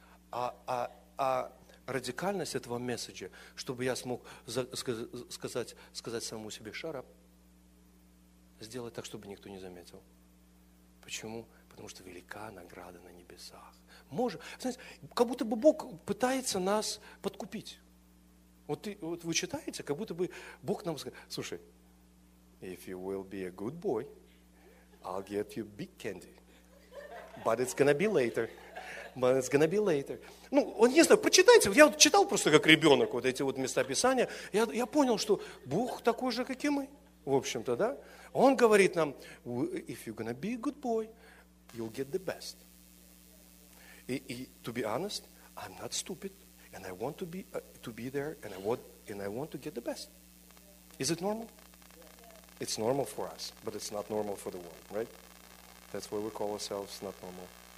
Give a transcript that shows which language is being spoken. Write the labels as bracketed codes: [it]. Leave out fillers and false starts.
[ru] А радикальность этого месседжа, чтобы я смог сказать самому себе, шарап, сделай так, чтобы никто не заметил. Почему? Потому что велика награда на небесах. Может, знаете, как будто бы Бог пытается нас подкупить. Вот вы читаете, как будто бы Бог нам сказал, слушай, [en] if you will be a good boy, I'll get you big candy. But it's gonna be later. But it's gonna be later. [ru] Ну, он, не знаю, прочитайте. Я вот читал просто как ребенок вот эти вот места Писания. Я понял, что Бог такой же, как и мы, в общем-то, да? Он говорит нам, [en] if you're gonna be a good boy, you'll get the best. [ru] И [en] to be honest, I'm not stupid. And I want to be there, and I want to get the best. Is it normal? It's normal for us, but it's not normal for the world, right? That's why we call ourselves not normal.